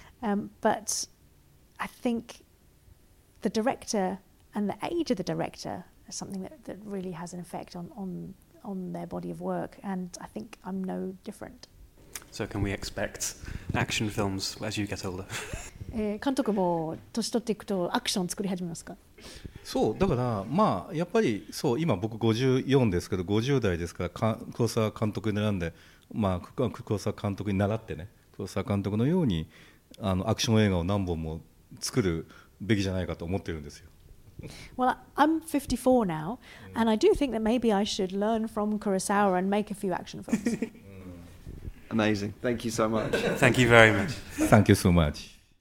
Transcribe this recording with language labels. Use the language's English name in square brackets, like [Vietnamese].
[English] But I think the director and the age of the director is something that really has an effect on their body of work. And I think I'm no different. So can we expect action films as you get older? [Japanese] 監督も年取っていくとアクション作り始めますか？そうだから、まあやっぱりそう、今僕54ですけど、50代ですから、黒沢監督に習んで、まあ黒沢監督に習ってね、黒沢監督のようにアクション映画を何本も作るべきじゃないかと思ってるんですよ。 [English] Well, I'm 54 now, and I do think that maybe I should learn from Kurosawa and make a few action films. Amazing. Thank you so much. Thank you very much. Thank you so much.